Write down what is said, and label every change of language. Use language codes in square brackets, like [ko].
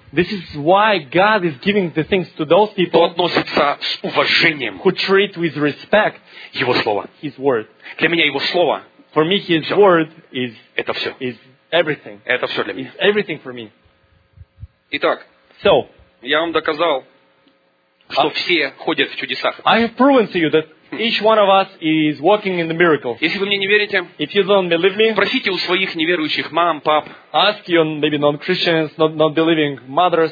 [en] This is why God is giving the things to those people. [ru] Кто относится с уважением. [en] Who treat with respect. [ru] Его слово. [en] His word. [ru] Для меня его слово. [en] For me, his word is. [ru] Это все. [en] Is everything. [ru] Это все для меня. [en] Is everything for me. [ru] Итак. [en] So, [ru] я вам доказал, что все ходят в чудесах. [en] I have proven to you that each one of us is walking in the miracle. [ru] Если вы мне не верите, [en] if you don't believe me, [ru] спросите у своих неверующих мам, пап. [en] Ask your maybe non-Christians, non-believing mothers,